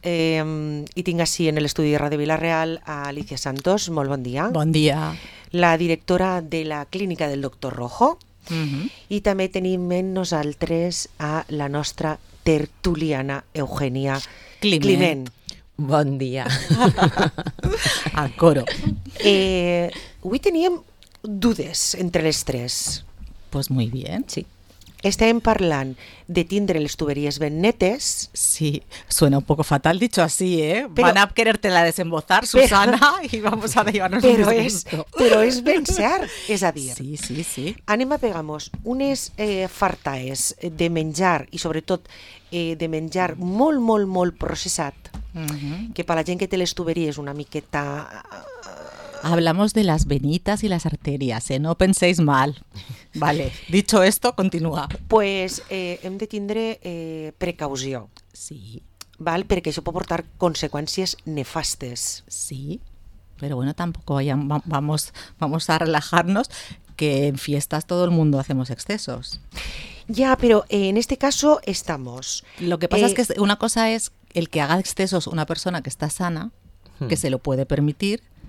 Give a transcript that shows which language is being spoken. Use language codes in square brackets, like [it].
[ca] I tinc així en l'estudi de Ràdio Vila-real a Alicia Santos. Molt bon dia. Bon dia. La directora de la clínica del doctor Rojo. Uh-huh. I també tenim en nosaltres a la nostra tertuliana Eugènia Climent. Bon dia. A coro. Avui teníem dudes entre les tres. [es] Pues muy bien, sí. [ca] Estem parlant de tindre les tuberies ben netes. [es] Sí, suena un poco fatal dicho así, ¿eh? Pero, van a quererte-la desembozar, Susana, pero, y vamos a llevarnos un [ca] disgusto. Pero es ben cert, és a dir. Sí, sí, sí. Anem a pegamos unes fartaes de menjar, i sobretot de menjar molt, molt, molt processat, que per la gent que té les tuberies una miqueta... [es] Hablamos de las venitas y las arterias, ¿eh? No penséis mal. Vale. Dicho esto, continúa. [ca] Pues hem de tindre precaució. Sí. Val? Perquè això pot portar conseqüències nefastes. [es] Sí, però bueno, tampoco vamos a relajarnos, que en fiestas todo el mundo hacemos excesos. Ya, pero en este caso estamos. Lo que pasa es que una cosa es el que haga excesos una persona que está sana, que se lo puede permitir...